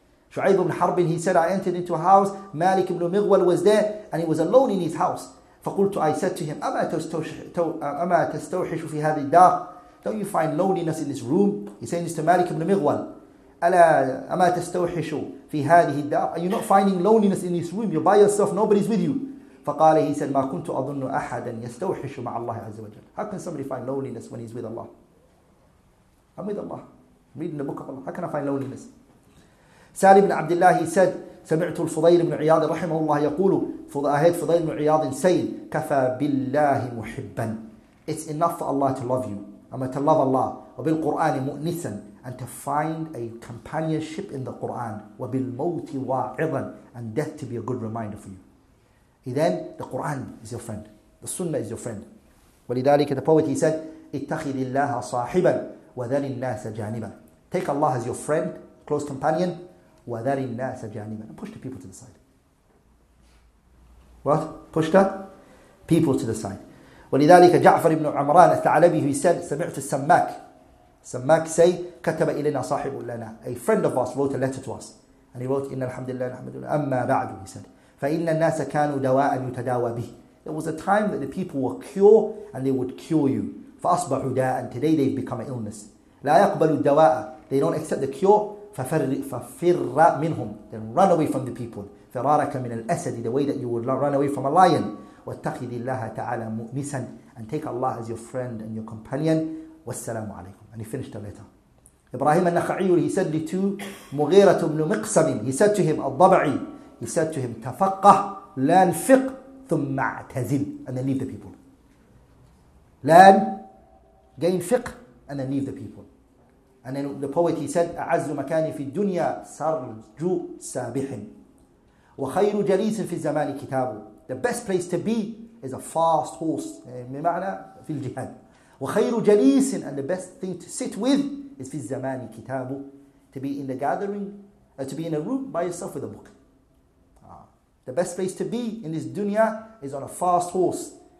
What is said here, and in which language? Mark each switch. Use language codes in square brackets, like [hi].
[en] شعيب بن حرب he said I entered into a house مالك بن مغول was there and he was alone in his house فقلت I said to him [ar] أما تستوحش في هذه الدار [en] don't you find loneliness in this room he's saying this to مالك بن مغول أما تستوحش في هذه الدار are you not finding loneliness in this room you're by yourself nobody's with you فقال he said [ar] ما كنت أظن أحدا يستوحش مع الله عز وجل [en] How can somebody find loneliness when he's with Allah? I'm with Allah. I'm reading the book of Allah. How can I find loneliness? [ar] سالم بن عبد الله he said سمعت الفضيل بن عياض رحمه الله يقول فضائل فضيل بن عياض saying كفى بالله محبا [en] It's enough for Allah to love you. I'm to love Allah. [ar] وبالقرآن مؤنسا [en] And to find a companionship in the Quran. [ar] وبالموت واعظا [en] And death to be a good reminder for you. Then the Quran is your friend. The Sunnah is your friend. [ar] ولذلك [en] the poet he said, [ar] اتخذ الله صاحبا وذل الناس جانبا. [en] Take Allah as your friend, close companion, [ar] وذل الناس جانبا. [en] And push the people to the side. What? Push the people to the side. [ar] ولذلك جعفر بن عمران الثعلبي he said, سمعت السماك. سماك say, كتب إلينا صاحب لنا. [en] A friend of us wrote a letter to us. And he wrote, [ar] إن الحمد لله نحمد الله. أما بعد, he said, فإن الناس كانوا دواء يتداوى به. [en] There was a time that the people were cure and they would cure you. [ar] فأصبحوا داء. [en] And today they've become an illness. [ar] لا يقبل الدواء. [en] They don't accept the cure. [ar] ففر منهم. [en] Then run away from the people. [ar] فرارك من الأسد. [en] The way that you would run away from a lion. [ar] واتخذ الله تعالى مؤنسا. [en] And take Allah as your friend and your companion. [ar] والسلام عليكم. [en] And he finished the letter. إبراهيم النخعي, he said to مغيرة بن مقسم, he said to him, الضبعي, he said to him, [ar] تفقه لان فقه ثم اعتزل. [en] And then leave the people. لان gain فقه and then leave the people. And then the poet, he said, [ar] أعز مكاني في الدنيا سرج سابح وخير جليس في الزمان كتاب. [en] The best place to be is a fast horse. [ar] بمعنى في الجهاد. وخير جليس, [en] and the best thing to sit with is [ar] في الزمان كتاب. [en] To be in the gathering, to be in a room by yourself with a book. The best place to be in this dunya is on a fast horse.